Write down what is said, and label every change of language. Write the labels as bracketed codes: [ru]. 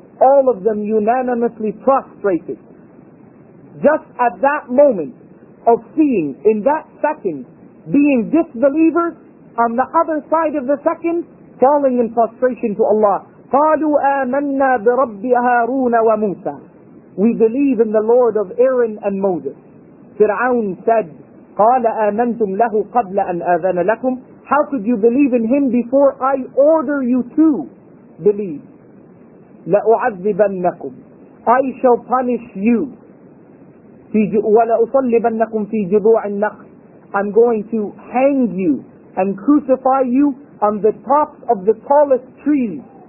[en] All of them unanimously prostrated. Just at that moment of seeing, in that second, being disbelievers, on the other side of the second, falling in prostration to Allah. [ar] قَالُوا آمَنَّا بِرَبِّ هَارُونَ وَمُوسَى. [en] We believe in the Lord of Aaron and Moses. Fir'aun said, [ar] قَالَ آمَنْتُمْ لَهُ قَبْلَ أَنْ آذَنَ لَكُمْ. [en] How could you believe in him before I order you to believe? [ar] لَأُعَذِّبَنَّكُمْ. [en] I shall punish you. [ar] وَلَأُصَلِّبَنَّكُمْ فِي جِذُوعِ النَّخْلِ. [en] I'm going to hang you and crucify you on the tops of the tallest trees.